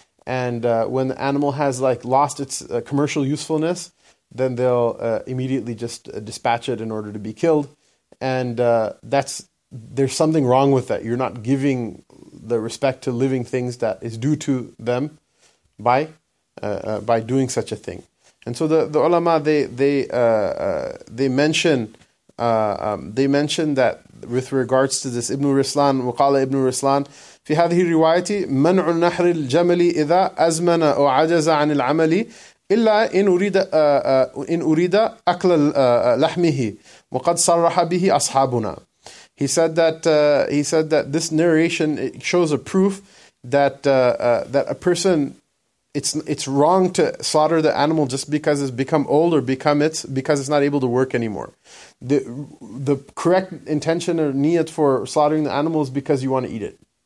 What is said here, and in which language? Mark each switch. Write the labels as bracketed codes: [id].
[en] And when the animal has like lost its commercial usefulness, then they'll immediately just dispatch it in order to be killed. And there's something wrong with that. You're not giving the respect to living things that is due to them by doing such a thing. [ar] And so the ulama, they mention that with regards to this, Ibn Ruslan, وقال Ibn Ruslan في هذه الرواية منع النحر الجمل إذا أزمن أو عجز عن العمل إلا إن أريد أكل لحمه وقد صرح به أصحابنا. [en] He said that this narration, it shows a proof that a person, it's wrong to slaughter the animal just because it's become old or because it's not able to work anymore. The correct intention or niyat for slaughtering the animal is because you want to eat it.